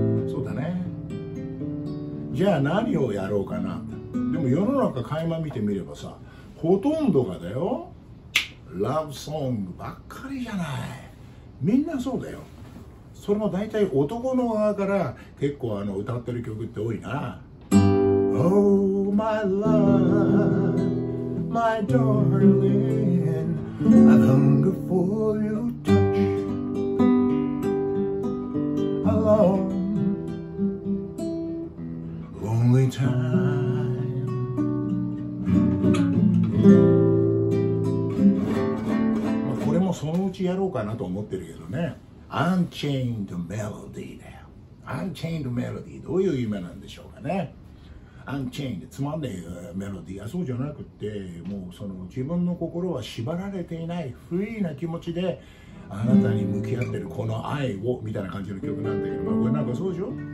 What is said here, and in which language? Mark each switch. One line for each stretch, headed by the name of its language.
Japanese: そうだね。じゃあ何をやろうかな。でも世の中垣間見てみればさ、ほとんどがだよ、ラブソングばっかりじゃない。みんなそうだよ。それも大体男の側から結構あの歌ってる曲って多いな。
English: Oh my love, my darling, I hunger for your touch alone, only time.
Japanese: まあこれもそのうちやろうかなと思ってるけどね。 Unchained Melody だよ。 Unchained Melody どういう夢なんでしょうかね。Unchained つまんねえメロディー、そうじゃなくて、もうその自分の心は縛られていないフリーな気持ちであなたに向き合ってるこの愛をみたいな感じの曲なんだけど、まあ、これなんかそうでしょ。